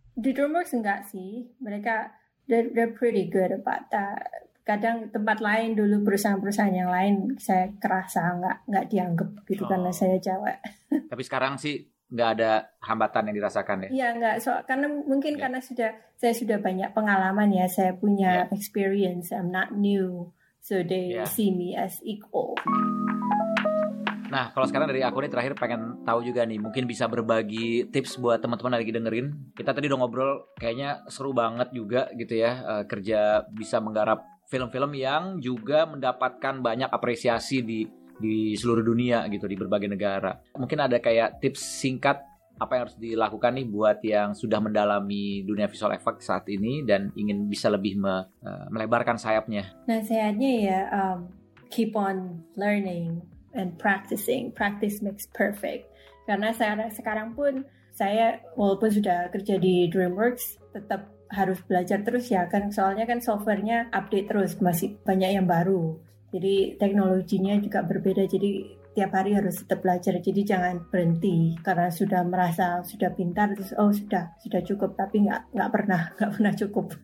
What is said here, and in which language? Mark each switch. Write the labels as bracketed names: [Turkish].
[Indonesian] Di DreamWorks enggak sih, mereka [English] they're pretty good about that. [Indonesian] kadang tempat lain dulu, perusahaan-perusahaan yang lain saya kerasa nggak dianggap gitu karena saya cewek. Tapi sekarang sih nggak ada hambatan yang dirasakan ya? Iya nggak, karena mungkin karena saya sudah banyak pengalaman ya, saya punya experience, [English] I'm not new, so they see me as equal. [Indonesian] Nah kalau sekarang dari aku nih terakhir pengen tahu juga nih, mungkin bisa berbagi tips buat teman-teman lagi dengerin. Kita tadi udah ngobrol kayaknya seru banget juga gitu ya, kerja bisa menggarap film-film yang juga mendapatkan banyak apresiasi di seluruh dunia gitu, di berbagai negara. Mungkin ada kayak tips singkat apa yang harus dilakukan nih buat yang sudah mendalami dunia visual effect saat ini dan ingin bisa lebih melebarkan sayapnya. Nah sayapnya ya, [English] keep on learning and practicing. Practice makes perfect. [Indonesian] Karena saya sekarang pun, saya walaupun sudah kerja di DreamWorks, tetap harus belajar terus ya kan, soalnya kan softwarenya update terus, masih banyak yang baru, jadi teknologinya juga berbeda, jadi tiap hari harus tetap belajar. Jadi jangan berhenti karena sudah merasa sudah pintar terus sudah cukup, tapi nggak pernah cukup.